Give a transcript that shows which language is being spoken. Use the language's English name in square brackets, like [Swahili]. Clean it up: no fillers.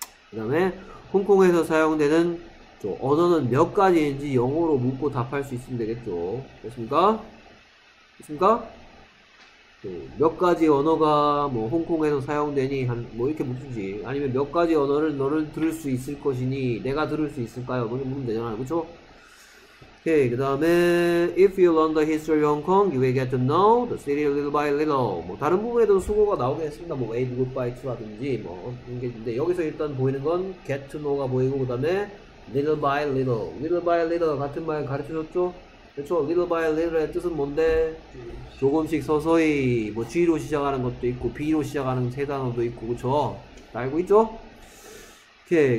[Korean] 그 다음에 홍콩에서 사용되는 저 언어는 몇 가지인지 영어로 묻고 답할 수 있으면 되겠죠. 됐습니까? 됐습니까? 몇 가지 언어가 뭐 홍콩에서 사용되니 한 뭐 이렇게 묻든지, 아니면 몇 가지 언어를 너는 들을 수 있을 것이니 내가 들을 수 있을까요? 그렇게 묻으면 되잖아요. 그쵸? 오케이. 그 다음에 [English] If you learn the history of Hong Kong you will get to know the city little by little. [Korean] 뭐 다른 부분에도 수고가 나오긴 했습니다. 뭐 wave goodbye to 라든지 뭐 이런 게 있는데, 여기서 일단 보이는 건 get to know가 보이고, 그 다음에 little by little, little by little 같은 말 가르쳐줬죠? 그렇죠. little by little의 뜻은 뭔데? 조금씩 서서히, 뭐 G로 시작하는 것도 있고 B로 시작하는 세 단어도 있고, 그렇죠? 다 알고 있죠? 오케이.